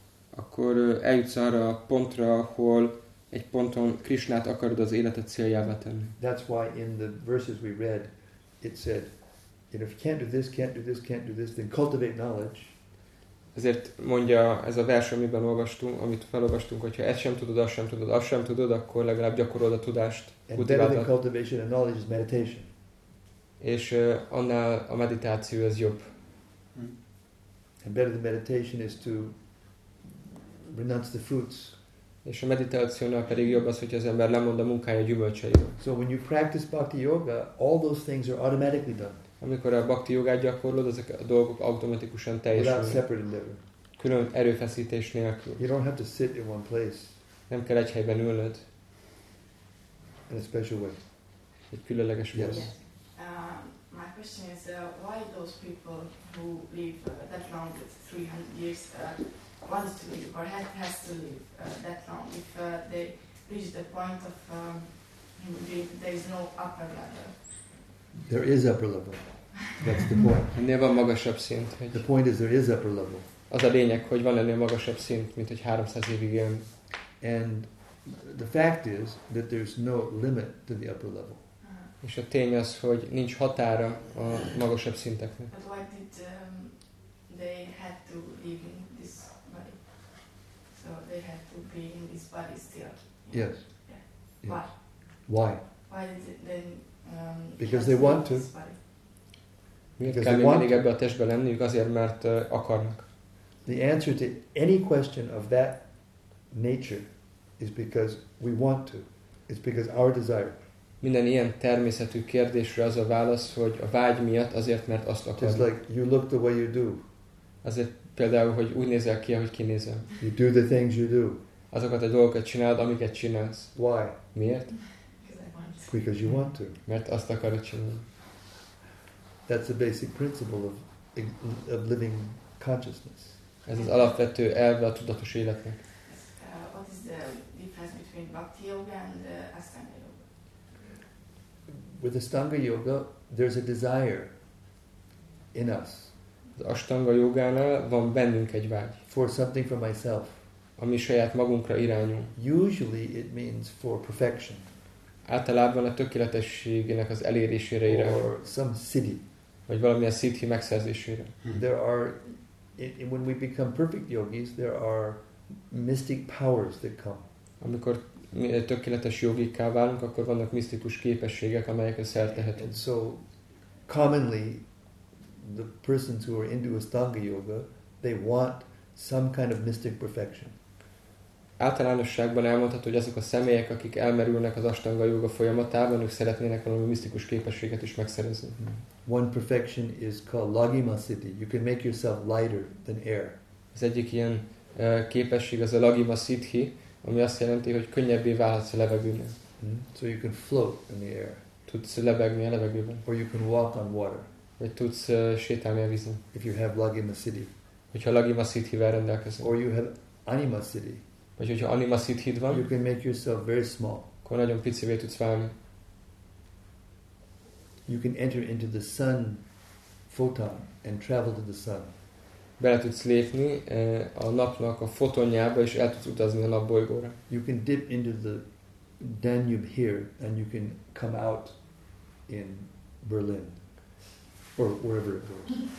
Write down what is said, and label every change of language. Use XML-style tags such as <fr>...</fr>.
<hu>akkor eljutsz arra a pontra, ahol egy ponton Krishnát akarod az életed céljává tenni.</hu> <en>That's why in the verses we read, it said, if you can't do this, can't do this, can't do this, then cultivate knowledge.</en> <hu>Ezért mondja ez a vers, amiben olvastunk, amit felolvastunk, hogyha ezt sem tudod, azt sem tudod, azt sem tudod, akkor legalább gyakorold a tudást.</hu> <en>And better than cultivation and knowledge is meditation.</en> <hu>És annál a meditáció ez jobb.</hu> <en>And better than meditation is to renounce the fruits.</en> <hu>És a meditációnál pedig jobb az, hogy az ember lemond a munkája gyümölcseiről.</hu> <en>So when you practice bhakti yoga, all those things are automatically done.</en> <hu>Amikor a bhakti jogát gyakorlod, ezek a dolgok automatikusan teljesülnek. Külön erőfeszítés nélkül.</hu> <en>You don't have to sit in one place.</en> <hu>Nem kell egy helyben ülnöd.</hu> <en>In a special way.</en> <hu>Egy különleges</hu> <en>way. Yes. My question is, why those people who live that long, 300 years, wants to live or has to live that long. If they reach the point of there is no upper level. There is upper level. That's the point.</en> <hu>Ennél van magasabb szint.</hu> <en>The point is there is upper level.</en> <hu>Az a lényeg, hogy van ennél magasabb szint, mint hogy 300 évig élünk.</hu> <en>And the fact is that there's no limit to the upper level.</en> <hu>És a tény az, hogy nincs határa a magasabb szinteknek.</hu> <en>But why did they had to live in this body? So they had to be in this body still. Yes. Yeah. Why? Why did they because they want to.</en> <hu>Miért kell mindig ebbe a testbe lenniük? Azért, mert akarnak.</hu> <en>The answer to any question of that nature is because we want to. It's because our desire.</en> <hu>Minden ilyen természetű kérdésre az a válasz, hogy a vágy miatt azért, mert azt akarod.</hu> <en>Just like you look the way you do.</en> <hu>Azért például, hogy úgy nézel ki, ahogy kinézel.</hu> <en>You do the things you do.</en> <hu>Azokat a dolgokat csinálod, amiket csinálsz.</hu> <en>Why?</en> <hu>Miért?</hu> <en>Because you want to.</en> <hu>Mert azt akarod csinálni.</hu> <en>That's the basic principle of living consciousness.</en> <hu>Ez az alapvető elve a tudatos életnek.</hu> <en>What is the difference between bhakti yoga and asana yoga? With Ashtanga yoga, there's a desire in us.</en> <hu>Az Ashtanga yogánál van bennünk egy vágy.</hu> <en>For something for myself.</en> <hu>Ami saját magunkra irányul.</hu> <en>Usually it means for perfection.</en> <hu>Általában a tökéletességének az elérésére irányul.</hu> <en>Or some siddhi.</en> <hu>Vagy valamilyen siddhi megszerzésére.</hu> <en>There are when we become perfect yogis, there are mystic powers that come.</en> <hu>Amikor tökéletes jogikká válunk, akkor vannak misztikus képességek, amelyek szertehetünk.</hu> <en>And so, commonly, the persons who are into Ashtanga yoga, they want some kind of mystic perfection.</en> <hu>Általánosságban elmondható, hogy azok a személyek, akik elmerülnek az Ashtanga yoga folyamatában, ők szeretnének valami misztikus képességet is megszerezni.</hu> <en>One perfection is called lagima siddhi. You can make yourself lighter than air.</en> <hu>Az egyik ilyen képesség az a lagima siddhi, ami azt jelenti, hogy könnyebbé válhatsz a levegőben.</hu> <en>So you can float in the air.</en> <hu>Tudsz lebegni a levegőben.</hu> <en>Or you can walk on water.</en> <hu>Vagy tudsz sétálni a vízen.</hu> <en>If you have lagima siddhi.</en> <hu>Hogyha lagima siddhivel rendelkezel.</hu> <en>Or you have anima siddhi.</en> <hu>Vagy hogyha anima siddhid van.</hu> <en>You can make yourself very small.</en> <hu>Akkor nagyon picivé tudsz válni.</hu> <en>You can enter into the sun photon and travel to the sun.</en> <hu>Bele tudsz lépni a napnak a fotonjába és el tudsz utazni a napbolygóra.</hu> <en>You can dip into the Danube here and you can come out in Berlin or wherever it goes.</en>